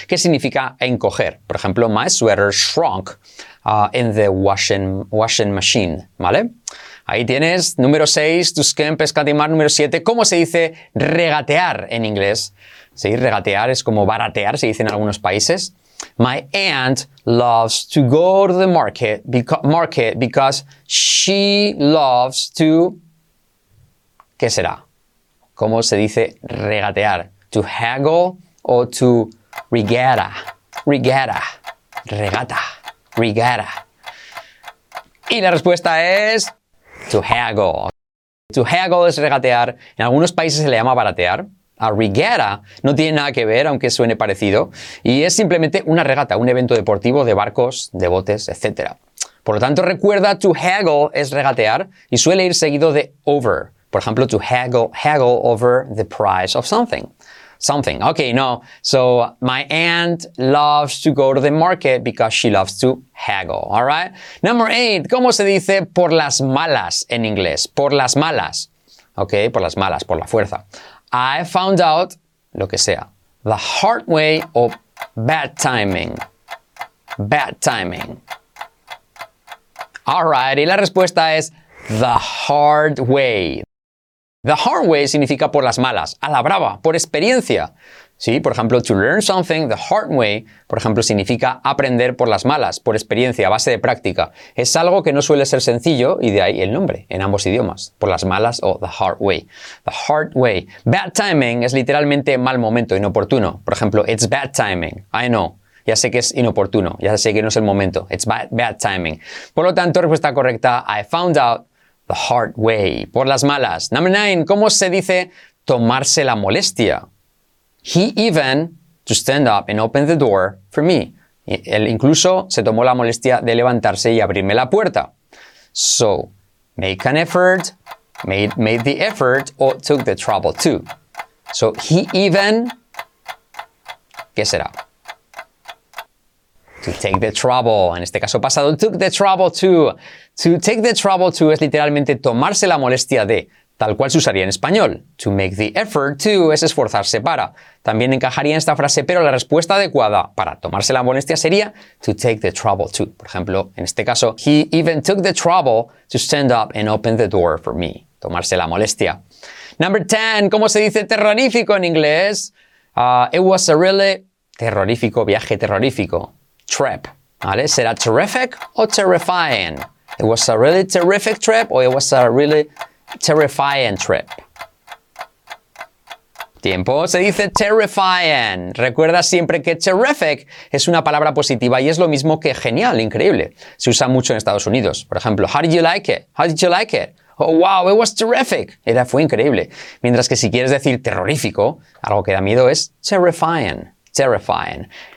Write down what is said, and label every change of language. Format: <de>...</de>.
<es>Que significa encoger. Por ejemplo,</es> <en>my sweater shrunk in the washing machine.</en> <es>¿Vale? Ahí tienes, número 6,</es> <en>to skimp,</en> <es>escatimar. Número 7, ¿cómo se dice regatear en inglés? Sí, regatear es como baratear, se dice en algunos países.</es> <en>My aunt loves to go to the market because she loves to...</en> <es>¿Qué será? ¿Cómo se dice regatear?</es> <en>To haggle o to regatta. Regatta.</en> <es>Regata.</es> <en>Regatta.</en> <es>Y la respuesta es...</es> <en>To haggle. To haggle</en> <es>es regatear. En algunos países se le llama baratear.</es> <en>A regatta</en> <es>no tiene nada que ver, aunque suene parecido. Y es simplemente una regata, un evento deportivo de barcos, de botes, etc. Por lo tanto, recuerda,</es> <en>to haggle</en> <es>es regatear y suele ir seguido de</es> <en>over.</en> <es>Por ejemplo,</es> <en>to haggle over the price of something. Something. Okay,</en> <es>no.</es> <en>So, my aunt loves to go to the market because she loves to haggle. All right? Number 8.</en> <es>¿Cómo se dice por las malas en inglés? Por las malas.</es> <en>Okay,</en> <es>por las malas, por la fuerza.</es> <en>I found out,</en> <es>lo que sea,</es> <en>the hard way or bad timing. Bad timing. All right.</en> <es>Y la respuesta es</es> <en>the hard way. The hard way</en> <es>significa por las malas, a la brava, por experiencia. Sí, por ejemplo,</es> <en>to learn something, the hard way,</en> <es>por ejemplo, significa aprender por las malas, por experiencia, a base de práctica. Es algo que no suele ser sencillo y de ahí el nombre, en ambos idiomas, por las malas o</es> <en>the hard way. The hard way. Bad timing</en> <es>es literalmente mal momento, inoportuno. Por ejemplo,</es> <en>it's bad timing, I know.</en> <es>Ya sé que es inoportuno, ya sé que no es el momento.</es> <en>It's bad timing.</en> <es>Por lo tanto, respuesta correcta,</es> <en>I found out. The hard way.</en> <es>Por las malas.</es> <en>Number 9.</en> <es>¿Cómo se dice tomarse la molestia?</es> <en>He even to stand up and open the door for me.</en> <es>Él incluso se tomó la molestia de levantarse y abrirme la puerta.</es> <en>So, make an effort, made the effort or took the trouble too. So, he even,</en> <es>¿qué será?</es> <en>To take the trouble.</en> <es>En este caso pasado,</es> <en>took the trouble too. To take the trouble to</en> <es>es literalmente tomarse la molestia de. tal cual se usaría en español.</es> <en>To make the effort to</en> <es>es esforzarse para. También encajaría en esta frase, pero la respuesta adecuada para tomarse la molestia sería</es> <en>to take the trouble to.</en> <es>Por ejemplo, en este caso,</es> <en>he even took the trouble to stand up and open the door for me.</en> <es>Tomarse la molestia.</es> <en>Number 10.</en> <es>¿Cómo se dice terrorífico en inglés?</es> <en>It was a really</en> <es>terrorífico, viaje terrorífico.</es> <en>Trip.</en> <es>¿Vale? ¿Será terrific o terrifying?</es> <en>It was a really terrific trip or it was a really terrifying trip.</en> <es>Tiempo. Se dice</es> <en>terrifying.</en> <es>Recuerda siempre que terrific es una palabra positiva y es lo mismo que genial, increíble. Se usa mucho en Estados Unidos. Por ejemplo,</es> <en>how did you like it? How did you like it? Oh, wow, it was terrific.</en> <es>Era, fue increíble. Mientras que si quieres decir terrorífico, algo que da miedo es</es> <en>terrifying. Terrifying.</en>